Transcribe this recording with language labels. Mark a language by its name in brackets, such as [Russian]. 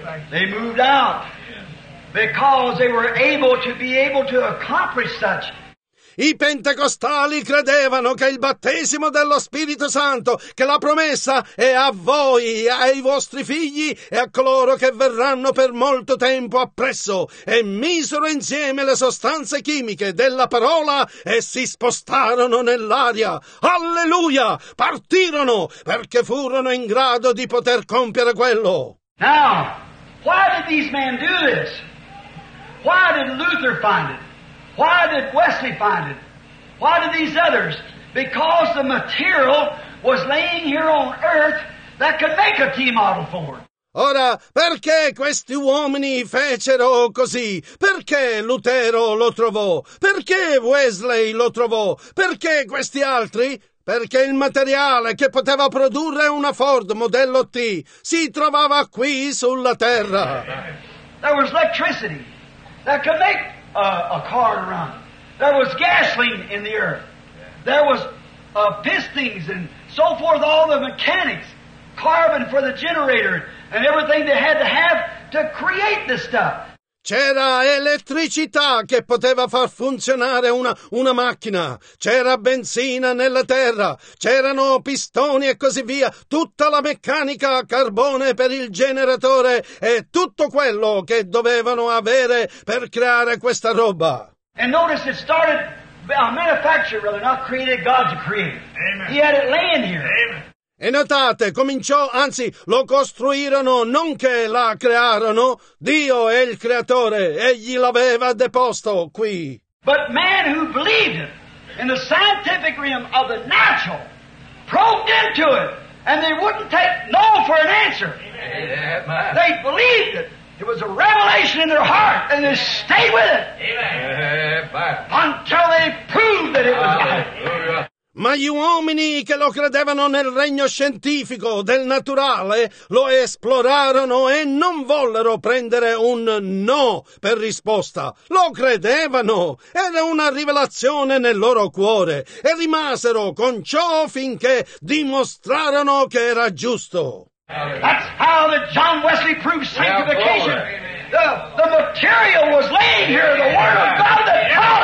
[English] They moved out because they were able to be able to accomplish such. [Italian] I pentecostali credevano che il battesimo dello Spirito Santo, che la promessa è a voi, ai vostri figli e a coloro che verranno per molto tempo appresso, e misero insieme le sostanze chimiche della parola e si spostarono nell'aria. Alleluia! Partirono perché furono in grado di poter compiere quello. [English] Now, why did these men do this? Why did Luther find it? Why did Wesley find it? Why did these others? Because the material was laying here on earth that could make a T-model for it. [Italian] Ora, perché questi uomini fecero così? Perché Lutero lo trovò? Perché Wesley lo trovò? Perché questi altri? Perché il materiale che poteva produrre una Ford modello T si trovava qui sulla terra. [English] There was electricity that could make a car run. There was gasoline in the earth. There was pistons and so forth, all the mechanics, carbon for the generator, and everything they had to create this stuff. [Italian] C'era elettricità che poteva far funzionare una macchina. C'era benzina nella terra. C'erano pistoni e così via. Tutta la meccanica a carbone per il generatore e tutto quello che dovevano avere per creare questa roba. [English] And notice it started a manufacturer, really, not created, God's created. He had it laying here. Amen. [Italian] E notate, lo costruirono non che la crearono. Dio è il creatore, egli l'aveva deposto qui. [English] But man who believed in the scientific realm of the natural probed into it, and they wouldn't take no for an answer. Amen. They believed it. It was a revelation in their heart, and they stayed with it. Amen. Until they proved that it was God. [Italian] Ma gli uomini che lo credevano nel regno scientifico del naturale lo esplorarono e non vollero prendere un no per risposta. Lo credevano. Era una rivelazione nel loro cuore e rimasero con ciò finché dimostrarono che era giusto. [English] That's how the John Wesley proved sanctification. The material was laying here, the word of God that taught